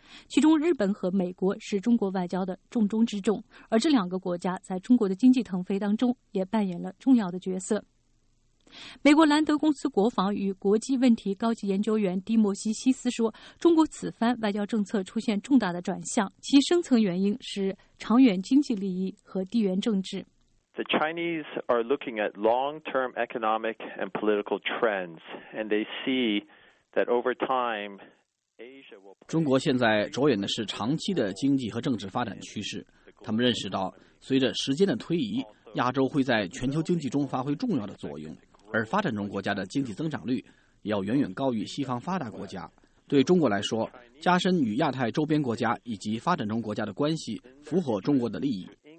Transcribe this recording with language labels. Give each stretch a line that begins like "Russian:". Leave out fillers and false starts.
Chinese: 其中日本和美国是中国外交的重中之重，而这两个国家在中国的经济腾飞当中也扮演了重要的角色。美国兰德公司国防与国际问题高级研究员迪摩西西斯说，中国此番外交政策出现重大的转向，其深层原因是长远经济利益和地缘政治。
English: The Chinese are looking at long-term economic and political trends, and they see that over time,
Chinese: 中国现在着眼的是长期的经济和政治发展趋势，他们认识到随着时间的推移，亚洲会在全球经济中发挥重要的作用，而发展中国家的经济增长率也要远远高于西方发达国家。对中国来说，加深与亚太周边国家以及发展中国家的关系，符合中国的利益。